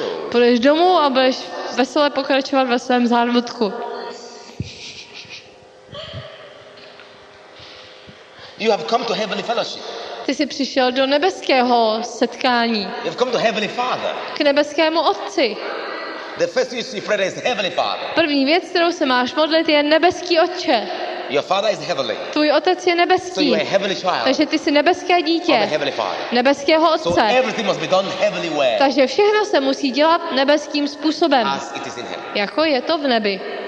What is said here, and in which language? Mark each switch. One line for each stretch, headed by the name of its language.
Czech: Půjdeš domů a budeš veselé pokračovat ve svém zármutku.
English: You have come to heavenly fellowship.
Czech: Ty jsi přišel do nebeského setkání.
English: You have come to heavenly Father.
Czech: K nebeskému Otci.
English: The first thing you see, prayer is heavenly Father.
Czech: První věc, kterou se máš modlit, je nebeský Otče.
English: Your father is heavenly.
Czech: Tvůj otec je nebeský.
English: So you are a heavenly child.
Czech: Takže ty jsi nebeské dítě.
English: From a heavenly father.
Czech: Nebeského otce.
English: So everything must be done heavenly way.
Czech: Takže všechno se musí dělat nebeským způsobem.
English: As it is in heaven.
Czech: Jako je to v nebi.